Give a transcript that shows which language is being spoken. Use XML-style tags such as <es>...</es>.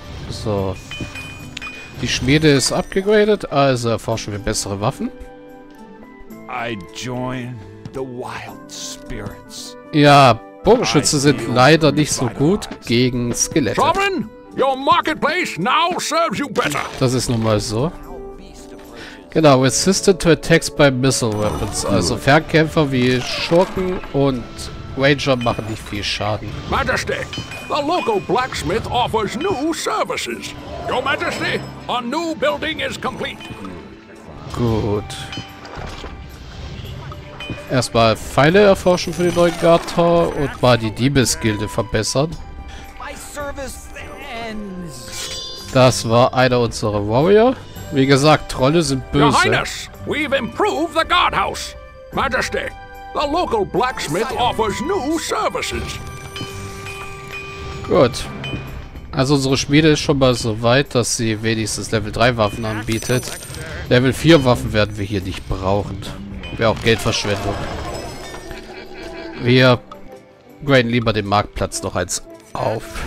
<de>So. Die Schmiede ist abgegradet, also erforschen wir bessere Waffen.</de> <en>I join the wild spirits.</en> <de>Ja, Bogenschütze sind leider nicht so gut gegen Skelette.</de> <en>Sovereign, your marketplace now serves you better.</en> <de>Das ist nun mal so.</de> <en>Genau, resistant to attacks by missile weapons.</en> <de>Also Fernkämpfer wie Schurken und Ranger machen nicht viel Schaden.</de> <en>Majesty, the local blacksmith offers new services. Your Majesty, a new building is complete.</en> <de>Gut. Erstmal Pfeile erforschen für den neuen Guardtower und mal die Diebesgilde verbessern. Das war einer unserer Warrior. Wie gesagt, Trolle sind böse.</de> <en>Your Highness, we've improved the guardhouse. Majesty, the local blacksmith offers new services.</en> <de>Gut. Also unsere Schmiede ist schon mal so weit, dass sie wenigstens Level 3 Waffen anbietet. Level 4 Waffen werden wir hier nicht brauchen. Wäre auch Geldverschwendung. Wir graden lieber den Marktplatz noch eins auf.</de>